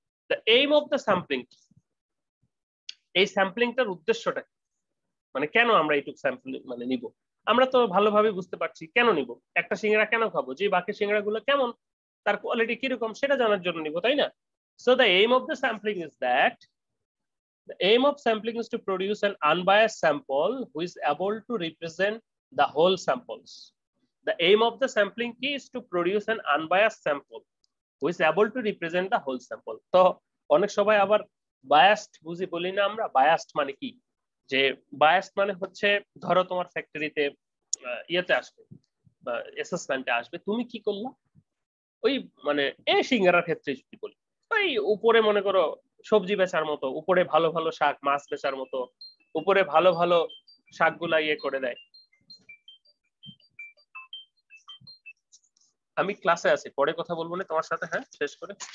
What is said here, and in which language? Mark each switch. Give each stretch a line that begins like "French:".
English: the aim of the sampling,
Bangla: এই স্যাম্পলিংটার উদ্দেশ্যটা মানে কেন আমরা এইটুক স্যাম্পলিং মানে নিব, আমরা তো ভালোভাবে বুঝতে পারছি কেন নিব, একটা সিঙ্গারা কেন খাবো, যে বাকি সিঙ্গারাগুলো কেমন তার কোয়ালিটি কিরকম সেটা জানার জন্য নিব, তাই না?
English: So the aim of the sampling is that The aim of sampling is to produce an unbiased sample who is able to represent the whole samples. The aim of the sampling key is to produce an unbiased sample who is able to represent the whole sample.
Bangla: So, অনেক সবাই আবার biased বুঝি বলি না আমরা, biased মানে কি? যে biased মানে হচ্ছে ধরো তোমার ফ্যাক্টরিতে ইয়েতে আসবে বা assessment আসবে, তুমি কি করলে ওই মানে এই সিঙ্গারার ক্ষেত্রে যদি বলি, ওই উপরে মনে করো সবজি বেচার মতো উপরে ভালো ভালো শাক মাছ বেচার মতো উপরে ভালো ভালো শাক গুলা ইয়ে করে দেয়, আমি ক্লাসে আছি পরে কথা বলবো না তোমার সাথে, হ্যাঁ শেষ করে।